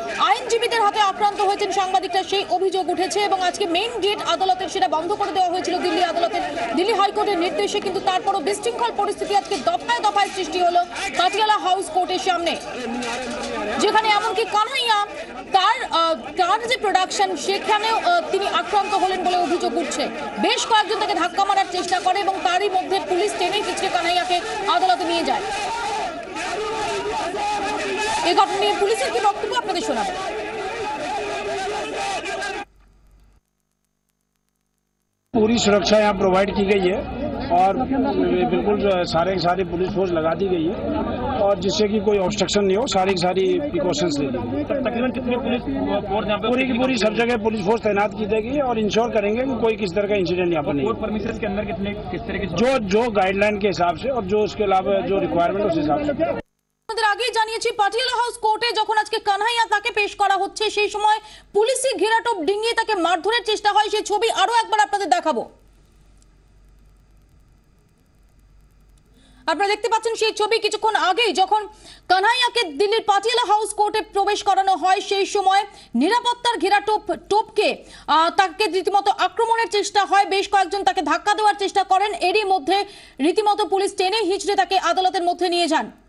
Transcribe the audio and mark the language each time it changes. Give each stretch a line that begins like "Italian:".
Bangla: আইনজীবীদের হাতে আক্রান্ত হয়েছেন সাংবাদিকরা, সেই অভিযোগ উঠেছে, এবং আজকে মেইন গেট আদালতের সেটা বন্ধ করে দেওয়া হয়েছিল দিল্লি আদালতের, দিল্লি হাইকোর্টের নির্দেশে, কিন্তু তারপরও বিশৃঙ্খল পরিস্থিতি আজকে দফায় দফায় সৃষ্টি হলো পাটিয়ালা হাউস কোর্টের সামনে, যেখানে এমনকি কানহাইয়া তার যে প্রোডাকশন সেখানেও তিনি আক্রান্ত হলেন বলে অভিযোগ উঠছে। বেশ কয়েকজন তাকে ধাক্কা মারার চেষ্টা করে, এবং তারই মধ্যে পুলিশ টেনে পিছিয়ে কানহাইয়াকে আদালতে নিয়ে যায়। এ ঘটনা নিয়ে পুলিশের কি বক্তব্য আপনাদের শোনাবো।
Hindi: पूरी सुरक्षा यहाँ प्रोवाइड की गई है और बिल्कुल सारे के सारे पुलिस फोर्स लगा दी गई है, और जिससे कि कोई ऑब्स्ट्रक्शन नहीं हो, सारी की सारी प्रिकॉशंस ले ली। तकरीबन कितने पुलिस फोर्स यहाँ पे? पूरी की पूरी सब जगह पुलिस फोर्स तैनात की जाएगी और इंश्योर करेंगे कि कोई किस तरह का इंसिडेंट यहाँ पर नहीं। परमिशन के अंदर कितने, किस तरह की, जो गाइडलाइन के हिसाब से और जो उसके अलावा जो रिक्वायरमेंट उस हिसाब से।
Bangla: পাটিয়ালা হাউস কোর্টে যখন আজকে কানহাইয়া তাকে পেশ করা হচ্ছে, সেই সময় পুলিশি ঘেরাটোপ ডিঙিয়ে তাকে মারধরের চেষ্টা হয়, সেই ছবি আরো একবার আপনাদের দেখাবো। আপনারা দেখতে পাচ্ছেন সেই ছবি, কিছুক্ষণ আগেই যখন কানহাইয়াকে দিল্লির পাটিয়ালা হাউস কোর্টে প্রবেশ করানো হয়, সেই সময় নিরাপত্তার ঘেরাটোপ টোপকে তাকে রীতিমতো আক্রমণের চেষ্টা হয়, বেশ কয়েকজন তাকে ধাক্কা দেওয়ার চেষ্টা করেন, এরই মধ্যে রীতিমতো পুলিশ টেনে হিঁচড়ে তাকে আদালতের মধ্যে নিয়ে যান।